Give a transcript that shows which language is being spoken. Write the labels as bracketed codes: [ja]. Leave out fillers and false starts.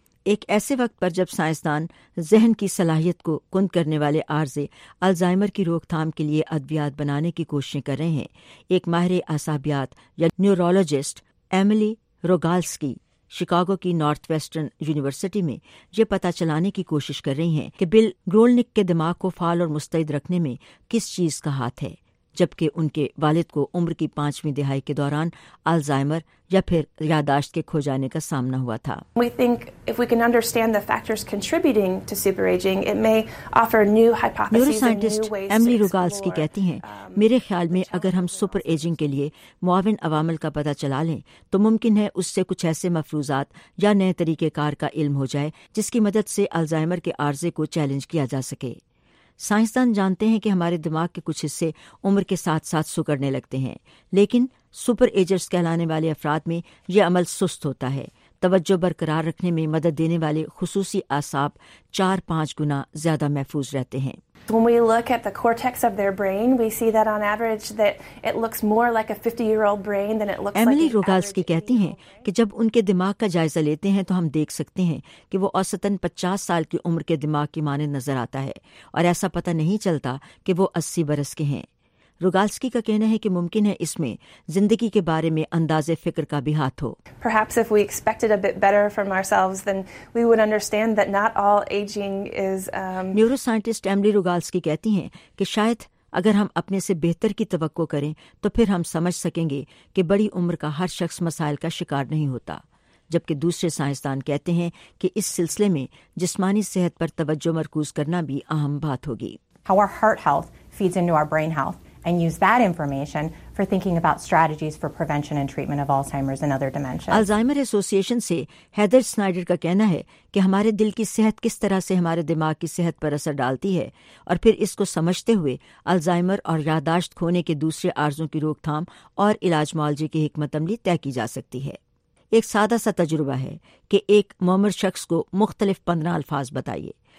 [ur] ایک ایسے وقت پر جب سائنسدان ذہن کی صلاحیت کو کند کرنے والے عارضے الزائمر کی روک تھام کے لیے ادویات بنانے کی کوششیں کر رہے ہیں، ایک ماہر اعصابیات یا نیورولوجسٹ ایملی روگالسکی شکاگو کی نارتھ ویسٹرن یونیورسٹی میں یہ پتہ چلانے کی کوشش کر رہی ہیں کہ بل گرولنک کے دماغ کو فعال اور مستعد رکھنے میں کس چیز کا ہاتھ ہے، جبکہ ان کے والد کو عمر کی 5ویں دہائی کے دوران الزائمر یا پھر یاداشت کے کھو جانے کا سامنا ہوا تھا۔ [en] We think if we can understand the factors contributing to super aging, it may offer new hypotheses and new ways to explore. [ur] نیوروسائنٹسٹ Emily روگالسکی کہتی ہیں، میرے خیال میں اگر ہم سپر ایجنگ کے لیے معاون عوامل کا پتہ چلا لیں تو ممکن ہے اس سے کچھ ایسے مفروضات یا نئے طریقے کار کا علم ہو جائے جس کی مدد سے الزائمر کے عارضے کو چیلنج کیا جا سکے۔ سائنسدان جانتے ہیں کہ ہمارے دماغ کے کچھ حصے عمر کے ساتھ ساتھ سکڑنے لگتے ہیں، لیکن سپر ایجرز کہلانے والے افراد میں یہ عمل سست ہوتا ہے۔ توجہ برقرار رکھنے میں مدد دینے والے خصوصی اعصاب 4-5 گنا زیادہ محفوظ رہتے ہیں۔ [en] When we look at the cortex of their brain, we see that on average that it looks more like a 50-year-old brain than it looks like [ur] Emily Rogalski کہتی ہیں کہ جب ان کے دماغ کا جائزہ لیتے ہیں تو ہم دیکھ سکتے ہیں کہ وہ اوسطاً 50 سال کی عمر کے دماغ کی مانند نظر آتا ہے، اور ایسا پتہ نہیں چلتا کہ وہ 80 برس کے ہیں۔ روگالسکی کا کہنا ہے کہ ممکن ہے اس میں زندگی کے بارے میں انداز فکر کا بھی ہاتھ ہو. [en] Perhaps if we expected a bit better from ourselves, then we would understand that not all aging is [ur] neuro scientist Emily روگالسکی کہتی ہیں کہ شاید اگر ہم اپنے سے بہتر کی توقع کریں تو پھر ہم سمجھ سکیں گے کہ بڑی عمر کا ہر شخص مسائل کا شکار نہیں ہوتا. جبکہ دوسرے سائنسدان کہتے ہیں کہ اس سلسلے میں جسمانی صحت پر توجہ مرکوز کرنا بھی اہم بات ہوگی. [en] How our heart health feeds into our brain health and use that information for thinking about strategies for prevention and treatment of Alzheimer's and other dementia. [ur] Alzheimer association سے ہیدر سنائیڈر کا کہنا ہے کہ ہمارے دل کی صحت کس طرح سے ہمارے دماغ کی صحت پر اثر ڈالتی ہے اور پھر اس کو سمجھتے ہوئے الزائمر اور یاداشت کھونے کے دوسرے عارضوں کی روک تھام اور علاج معالجے کی حکمت عملی طے کی جا سکتی ہے. ایک سادہ سا تجربہ ہے کہ ایک معمر شخص کو مختلف 15 الفاظ بتائیے.